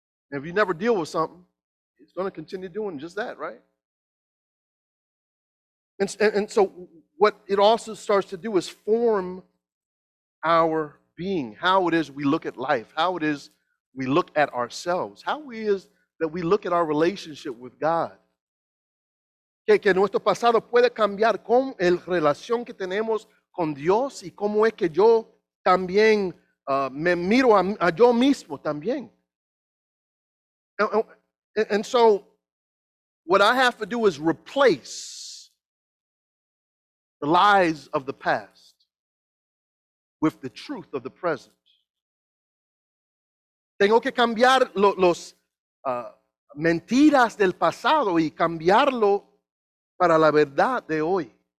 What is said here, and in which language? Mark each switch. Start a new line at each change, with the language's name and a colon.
English: And if you never deal with something, it's going to continue doing just that, right? And so what it also starts to do is form our being, how it is we look at life, how it is we look at ourselves, how it is that we look at our relationship with God.
Spanish: Que nuestro pasado puede cambiar con el relación que tenemos con Dios y cómo es que yo también me miro a yo mismo también.
English: And so what I have to do is replace the lies of the past with the truth of the present.
Spanish: Tengo que cambiar los mentiras del pasado y cambiarlo para la verdad de hoy.